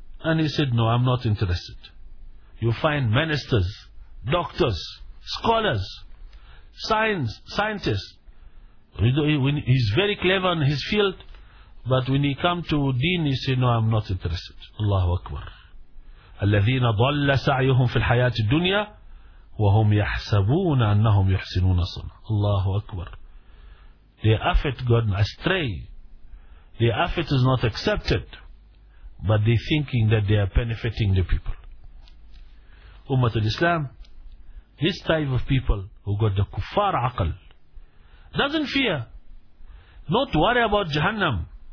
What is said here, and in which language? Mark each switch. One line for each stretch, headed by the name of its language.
English: And he said, no, I'm not interested. You find ministers, doctors, scholars, scientists. He's very clever in his field, but when he come to deen, he said, no, I'm not interested. Allahu Akbar.
Arabic: الذين ضل سعيهم في الحياة الدنيا وهم يحسبون أنهم يحسنون صنع. الله أكبر.
English: The effort gone astray. The effort is not accepted. But they thinking that they are benefiting the people.
Arabic: أمة الإسلام,
English: this type of people who got the kuffar عقل, doesn't fear, not worry about Jahannam.